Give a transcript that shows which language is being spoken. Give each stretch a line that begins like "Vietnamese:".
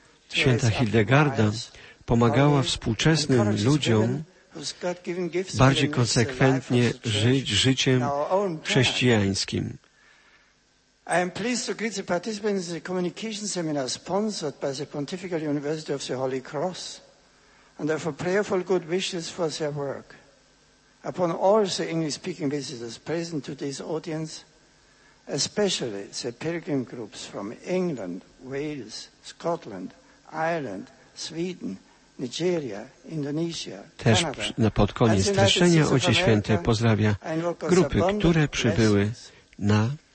Polish: Święta Hildegarda pomagała współczesnym ludziom bardziej konsekwentnie żyć życiem chrześcijańskim.
English: I am pleased to greet the participants in the communication seminar sponsored by the Pontifical University of the Holy Cross and offer prayerful good wishes for their work. Upon all the English-speaking visitors present to this audience, especially the pilgrim groups from England, Wales, Scotland, Ireland, Sweden, Nigeria, Indonesia,
Polish: też
English: Canada,
Polish: pod koniec streszczenia Ojciec Święty pozdrawia grupy, które przybyły na